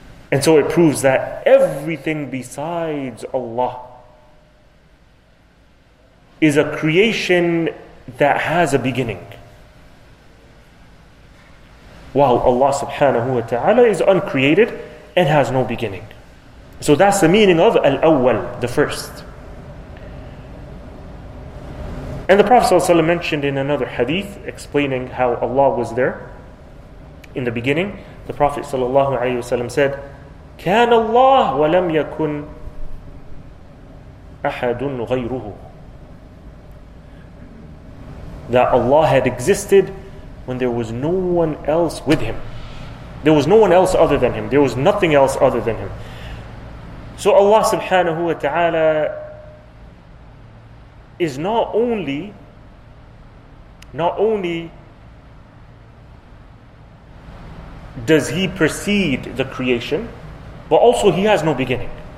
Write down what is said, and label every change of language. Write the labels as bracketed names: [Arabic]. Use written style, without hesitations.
[English] And so it proves that everything besides Allah is a creation that has a beginning, while Allah subhanahu wa ta'ala is uncreated and has no beginning. So that's the meaning of Al-Awwal, the first. And the Prophet ﷺ mentioned in another hadith explaining how Allah was there in the beginning. The Prophet ﷺ said, [Arabic] كان الله ولم يكن أحد غيره. [English] That Allah had existed when there was no one else with Him. There was no one else other than Him. There was nothing else other than Him. So Allah subhanahu wa ta'ala is not only does He precede the creation, but also He has no beginning.